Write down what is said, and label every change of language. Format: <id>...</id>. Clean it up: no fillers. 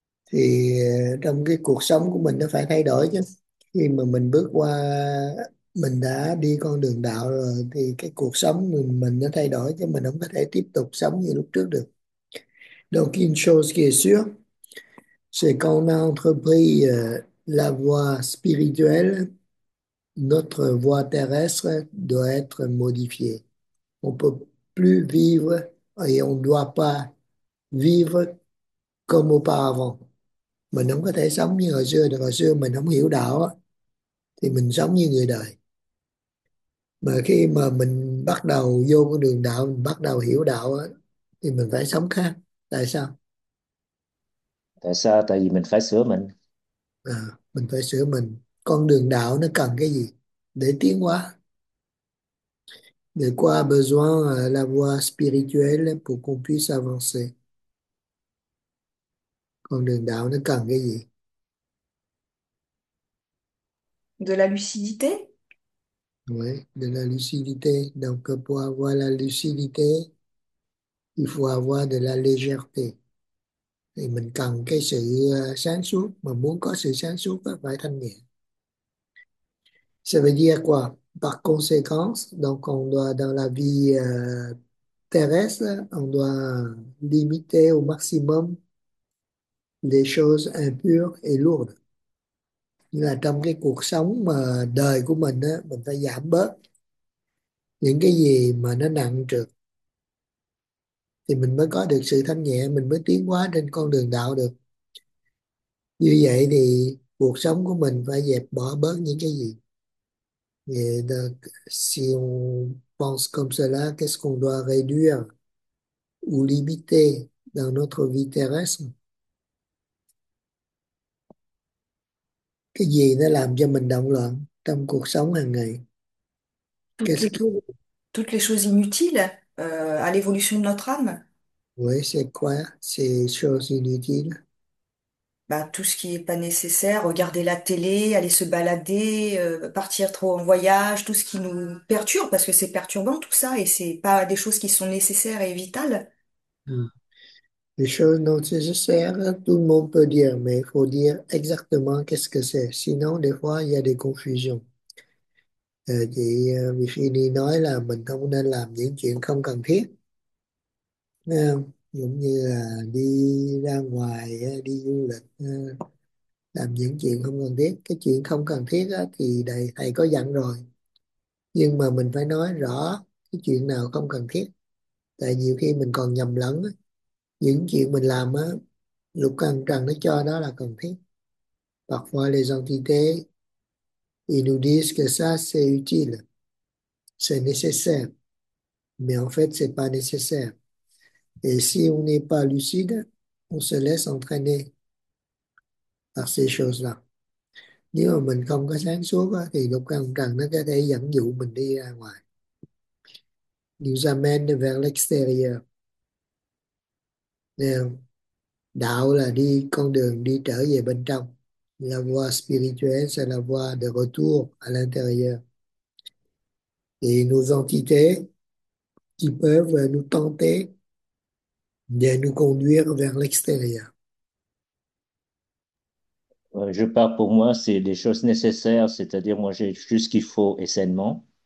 <vi>Thì trong cái cuộc sống của mình nó phải thay đổi chứ. Khi mà mình bước qua, mình đã đi con đường đạo rồi thì cái cuộc sống mình nó thay đổi chứ mình không có thể tiếp tục sống như lúc trước được.</vi> <fr>Donc une chose qui est sûre, c'est qu'on a entrepris la voie spirituelle. Notre voie terrestre doit être modifiée. On peut plus vivre et on ne doit pas vivre comme auparavant.</fr> <vi>Mình không có thể sống như hồi xưa được. Hồi xưa mình không hiểu đạo thì mình sống như người đời. Mà khi mà mình bắt đầu vô con đường đạo, mình bắt đầu hiểu đạo thì mình phải sống khác. Tại sao? Tại sao? Tại vì mình phải sửa mình. Mình phải sửa mình. Con đường đạo nó cần cái gì để tiến hóa?</vi> <fr>De quoi a besoin la voie spirituelle pour qu'on puisse avancer?</fr> <vi>Con đường đạo nó cần cái gì?</vi> <fr>De la lucidité? Oui, de la lucidité. Donc, pour avoir la lucidité, il faut avoir de la légèreté.</fr> <vi>Thì mình cần cái sự sáng suốt, mà muốn có sự sáng suốt phải thanh nhẹ.</vi> <fr>Ça veut dire quoi? Par conséquence, donc on doit dans la vie terrestre, on doit limiter au maximum les choses impures et lourdes.</fr> <vi>Nhưng là trong cái cuộc sống mà đời của mình á, mình phải giảm bớt những cái gì mà nó nặng trược thì mình mới có được sự thanh nhẹ, mình mới tiến hóa trên con đường đạo được. Như vậy thì cuộc sống của mình phải dẹp bỏ bớt những cái gì.</vi> <fr>Et donc, si on pense comme cela, qu'est-ce qu'on doit réduire ou limiter dans notre vie terrestre?</fr> <vi>Cái gì nó làm cho mình động loạn trong cuộc sống hàng ngày?</vi> <fr>Toutes Qu'est-ce les qui... choses inutiles à l'évolution de notre âme. Oui, c'est quoi ces choses inutiles? Bah, tout ce qui n'est pas nécessaire, regarder la télé, aller se balader, partir trop en voyage, tout ce qui nous perturbe, parce que c'est perturbant tout ça, et c'est pas des choses qui sont nécessaires et vitales. Les choses non nécessaires, tout le monde peut dire, mais il faut dire exactement qu'est-ce que c'est. Sinon, des fois, il y a des confusions.</fr> <vi>Chị Vichini nói là mình không nên làm những chuyện không cần thiết. Giống như là đi ra ngoài, đi du lịch, làm những chuyện không cần thiết. Cái chuyện không cần thiết thì thầy có dặn rồi. Nhưng mà mình phải nói rõ cái chuyện nào không cần thiết. Tại nhiều khi mình còn nhầm lẫn những chuyện mình làm á, lục căn trần nó cho đó là cần thiết.</vi> <fr>Parfois les entités, ils nous disent que ça c'est utile, c'est nécessaire, mais en fait c'est pas nécessaire. Et si on n'est pas lucide, on se laisse entraîner par ces choses-là.</fr> <vi>Nếu mà mình không có sáng suốt á, thì lục căn trần nó có thể dẫn dụ mình đi ra ngoài.</vi> <fr>Nous amène vers l'extérieur.</fr> <vi>Đạo là đi con đường đi trở về bên trong.</vi> <fr>La voie spirituelle, c'est la voie de retour à l'intérieur. Et nos entités qui peuvent nous tenter de nous conduire vers l'extérieur. Je parle pour moi, c'est des choses nécessaires, c'est-à-dire moi j'ai juste ce qu'il faut et sainement.</fr>